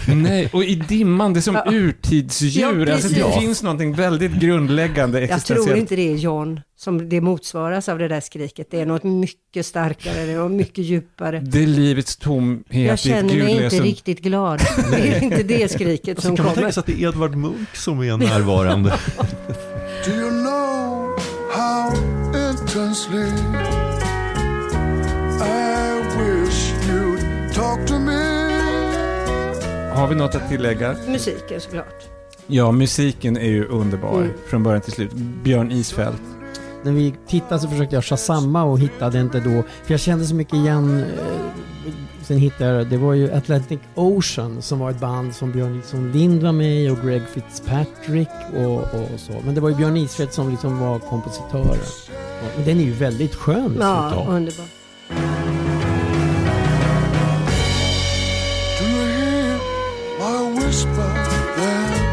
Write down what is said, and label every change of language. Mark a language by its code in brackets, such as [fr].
[sv] Nej, och i dimman, det är som urtidsdjur, ja, alltså det finns någonting väldigt grundläggande existentiellt. Jag tror inte det är John som det motsvaras av det där skriket, det är något mycket starkare, det är något mycket djupare. Det är livets tomhet. Jag känner mig inte riktigt glad, det är inte det skriket som kan kommer. Kan man tänka att det är Edvard Munch som är närvarande? [en] Do you know how intensely I wish you'd talk to me. [sv] Har vi något att tillägga? Musiken såklart. Ja, musiken är ju underbar från början till slut. Björn Isfält. När vi tittade så försökte jag shazamma och hittade inte då, för jag kände så mycket igen. Sen hittade jag, det var ju Atlantic Ocean som var ett band som Björn liksom Lind var med och Greg Fitzpatrick och så. Men det var ju Björn Isfält som liksom var kompositören. Men den är ju väldigt skön. Ja, underbar. [en] Do you hear my whisper then?